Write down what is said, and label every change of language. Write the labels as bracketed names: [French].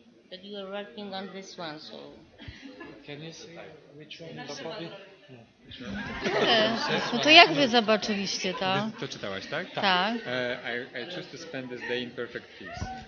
[English] But you are working on this one, so... Can you see which one in the copy? [Polish] No to jak wy zobaczyliście to? To czytałaś, tak? Tak. [English] I choose to spend this day in perfect peace.